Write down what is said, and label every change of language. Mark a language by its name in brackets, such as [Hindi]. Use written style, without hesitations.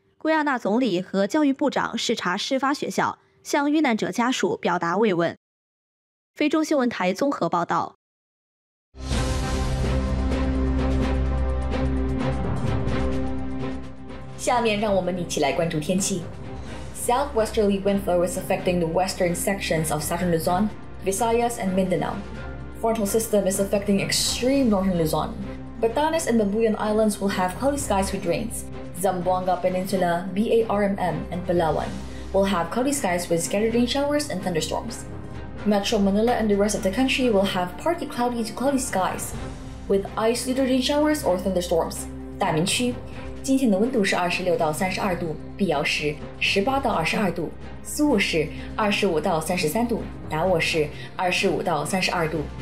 [Chinese] 圭亚那总理和教育部长视察事发学校，向遇难者家属表达慰问。菲中新闻台综合报道。下面让我们一起来关注天气。 [English] Southwesterly wind flow is affecting the western sections of Southern Luzon, Visayas, and Mindanao. Frontal system is affecting extreme northern Luzon. Batanes and Babuyan Islands will have cloudy skies with rains. Zamboanga Peninsula, BARMM, and Palawan will have cloudy skies with scattered rain showers and thunderstorms. Metro Manila and the rest of the country will have partly cloudy to cloudy skies, with isolated rain showers or thunderstorms. [Chinese] 大明区今天的温度是26到32度，必要是18到22度，苏雾是25到33度，达沃是25到32度。